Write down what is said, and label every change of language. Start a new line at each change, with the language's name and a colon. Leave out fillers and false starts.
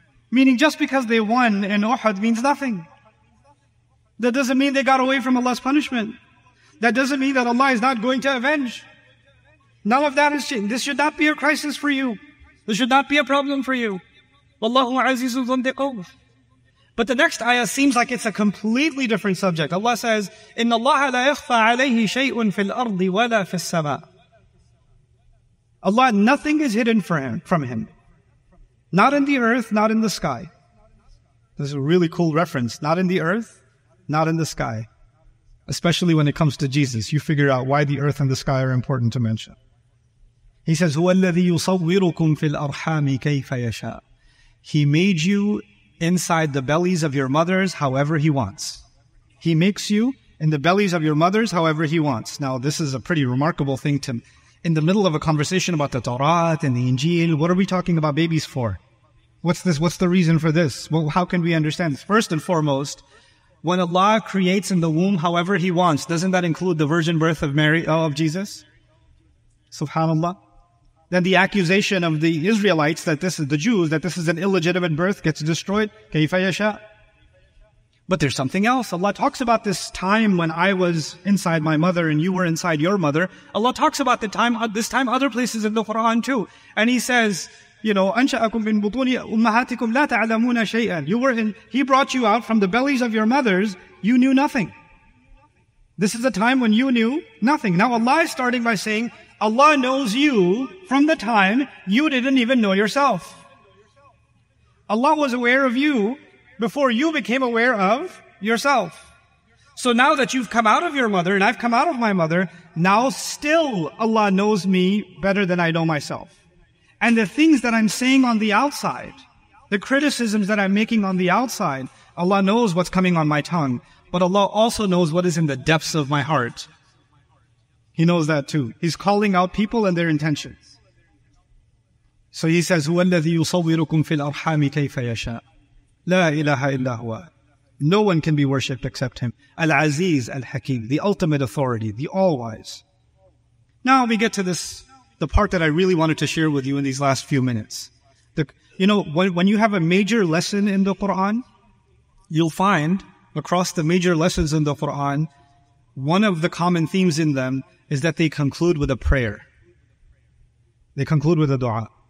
English: Meaning just because they won in Uhud means nothing. That doesn't mean they got away from Allah's punishment. That doesn't mean that Allah is not going to avenge. None of that is changed. This should not be a crisis for you. This should not be a problem for you.
Arabic: وَاللَّهُ عَزِيزٌ ذُو انْتِقَامٍ.
English: But the next ayah seems like it's a completely different subject. Allah says,
Arabic: إِنَّ اللَّهَ لَا يَخْفَى عَلَيْهِ شَيْءٌ فِي الْأَرْضِ وَلَا فِي السَّمَاءِ.
English: Allah, nothing is hidden from him. Not in the earth, not in the sky. This is a really cool reference. Not in the earth, not in the sky. Especially when it comes to Jesus. You figure out why the earth and the sky are important to mention. He says,
Arabic: هُوَ الَّذِي يُصَوِّرُكُمْ فِي الْأَرْحَامِ كَيْفَ يَشَاءُ.
English: He made you inside the bellies of your mothers however he wants. He makes you in the bellies of your mothers however he wants. Now this is a pretty remarkable thing to, in the middle of a conversation about the Torah and the Injil, what are we talking about babies for? What's this? What's the reason for this? Well, how can we understand this? First and foremost, when Allah creates in the womb however he wants, doesn't that include the virgin birth of Mary, of Jesus? Subhanallah. Then the accusation of the Israelites that this is the Jews, that this is an illegitimate birth, gets destroyed.
Arabic: كَيْفَ يَشَاءُ.
English: But there's something else. Allah talks about this time when I was inside my mother and you were inside your mother. Allah talks about the time, this time, other places in the Quran too. And He says, you know,
Arabic: أَنْشَأَكُمْ مِنْ بُطُونِ أُمَّهَاتِكُمْ لَا تَعْلَمُونَ شَيْئًا.
English: You were in, He brought you out from the bellies of your mothers, you knew nothing. This is a time when you knew nothing. Now Allah is starting by saying, Allah knows you from the time you didn't even know yourself. Allah was aware of you before you became aware of yourself. So now that you've come out of your mother and I've come out of my mother, now still Allah knows me better than I know myself. And the things that I'm saying on the outside, The criticisms that I'm making on the outside, Allah knows what's coming on my tongue. But Allah also knows what is in the depths of my heart. He knows that too. He's calling out people and their intentions. So He says,
Arabic: هُوَ الَّذِي يُصَوِّرُكُمْ فِي الْأَرْحَامِ كَيْفَ يَشَاءُ لَا إِلَهَ إِلَّا هُوَ.
English: No one can be worshipped except Him. Al-Aziz Al-Hakim, the ultimate authority, the all-wise. Now we get to this, the part that I really wanted to share with you in these last few minutes. When you have a major lesson in the Qur'an, you'll find across the major lessons in the Qur'an, one of the common themes in them is that they conclude with a prayer. They conclude with a dua.